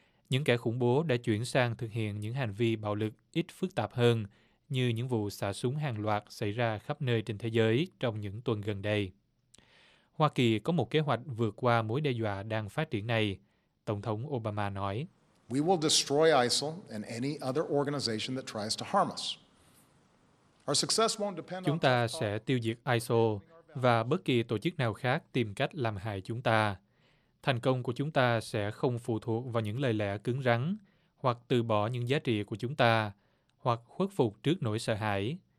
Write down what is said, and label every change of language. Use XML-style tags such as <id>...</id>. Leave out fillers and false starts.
<vi>Những kẻ khủng bố đã chuyển sang thực hiện những hành vi bạo lực ít phức tạp hơn như những vụ xả súng hàng loạt xảy ra khắp nơi trên thế giới trong những tuần gần đây. Hoa Kỳ có một kế hoạch vượt qua mối đe dọa đang phát triển này, Tổng thống Obama nói.</vi> <en>We will destroy ISIL and any other organization that tries to harm us. Our success won't depend on</en> <vi>chúng ta sẽ tiêu diệt ISIL và bất kỳ tổ chức nào khác tìm cách làm hại chúng ta. Thành công của chúng ta sẽ không phụ thuộc vào những lời lẽ cứng rắn hoặc từ bỏ những giá trị của chúng ta hoặc khuất phục trước nỗi sợ hãi.</vi>